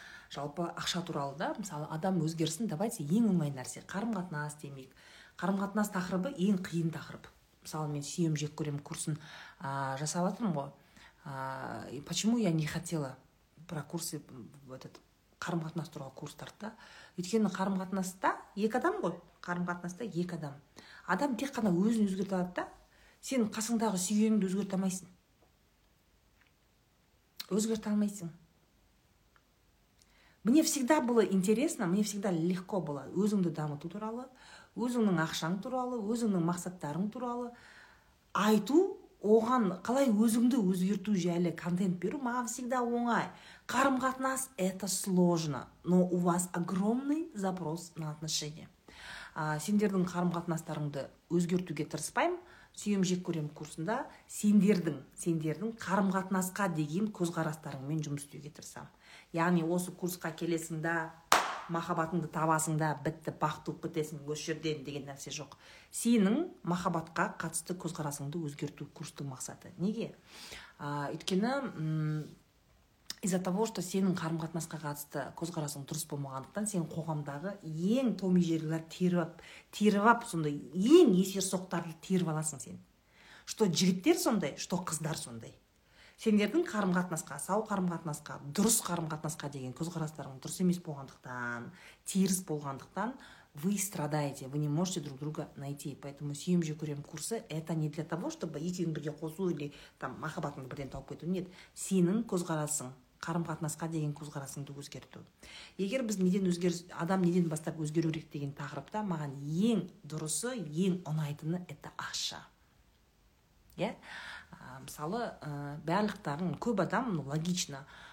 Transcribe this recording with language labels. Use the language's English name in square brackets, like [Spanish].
[Kazakh] Жалпы ақша туралы да, мысалы, адам өзгерсін, давайте ең оңай нәрсе, қарым-қатынас демек. Қарым-қатынас тақырыбы ең қиын тақырып. Мысалы, мен сүйем жек көрем курсын жасаватырмын ғой. [Russian] Почему я не хотела про курсы, вот этот, [Kazakh] қарым-қатынас туралы курстарда? Өйткені қарым-қатынаста екі адам ғой, қарым-қатынаста екі адам. Адам тек қана өзін өзгерте алады да, сен қасыңдағы сүйеңді өзгерте алмайсың. Өзгерте алмайсың. [Russian] Мне всегда было интересно, мне всегда легко было. [Kazakh] Өзіңді дамыту туралы, өзіңнің ақшаң туралы, өзіңнің мақсаттарың туралы айту, оған қалай өзіңді өзгерту жайлы контент беру маған [Russian] всегда [Kazakh] оңай. Қарым-қатынас [Russian] это сложно, но у вас огромный запрос на отношения. [Kazakh] Сендердің қарым-қатынастарыңды өзгертуге тырыспаймын. Сүйем жек көрем курсында сендердің қарым-қатынасқа деген көзқарастарыңмен жұмыс істеуге тырысамын. Яғни осы курсқа келесің да, махаббатыңды табасың да, бітті, бақыт болып кетесің, осы жерден деген нәрсе жоқ. Сенің махаббатқа қатысты көзқарасыңды өзгерту курстың мақсаты. Неге? Өйткені, [Russian] из-за того, что [Kazakh] сенің қарым-қатынасқа қатысты көзқарасың дұрыс болмағандықтан, сен қоғамдағы ең төми жерлер теріп, сонда ең есер соқтарды теріп аласың сен. Что жігіттер сондай, что қыздар сондай. Сендердің қарым-қатынасқа, сау қарым-қатынасқа, дұрыс қарым-қатынасқа деген көзқарастарың дұрыс емес болғандықтан, теріс болғандықтан, [Russian] вы страдаете, вы не можете друг друга найти. [Kazakh] Поэтому сүйем жек көрем курсы [Russian] это не для того, чтобы [Kazakh] екеуің бірге қосу [Russian] или там [Kazakh] махаббатыңды бірден тауып кету, нет. Сенің көзқарасың, қарым-қатынасқа деген көзқарасыңды өзгерту. Егер біз неден адам неден бастап өзгеру керек деген тақырыпта, маған ең дұрысы, ең ұнайтыны [Russian] это [Kazakh] ақша. Иә? Мысалы, барлықтарын көп адам, [Russian] ну, логично.